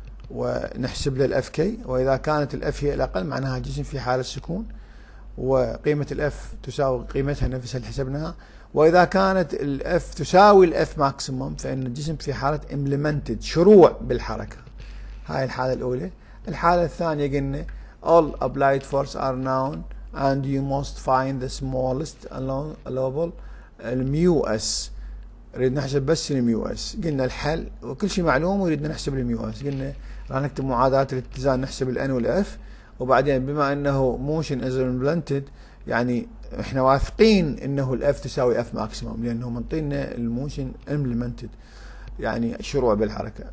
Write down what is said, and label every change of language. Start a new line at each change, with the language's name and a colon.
Arabic: ونحسب له الاف كي، واذا كانت الاف هي الاقل معناها الجسم في حاله سكون، وقيمه الاف تساوي قيمتها نفسها اللي حسبناها، واذا كانت الاف تساوي الاف ماكسيموم فان الجسم في حاله امبلمنتد شروع بالحركه. هاي الحاله الاولى. الحاله الثانيه قلنا
English: all applied force are known and you must find the smallest allowable الميو s.
Arabic: نريد نحسب بس الميو اس، قلنا الحل وكل شيء معلوم ونريد نحسب الميو اس. قلنا راح نكتب معادلات الاتزان نحسب الان والاف، وبعدين بما انه
English: motion is impending
Arabic: يعني احنا واثقين انه الاف تساوي اف ماكسيموم لانه منطينا
English: الموشن امبلمنتد
Arabic: يعني شروع بالحركه.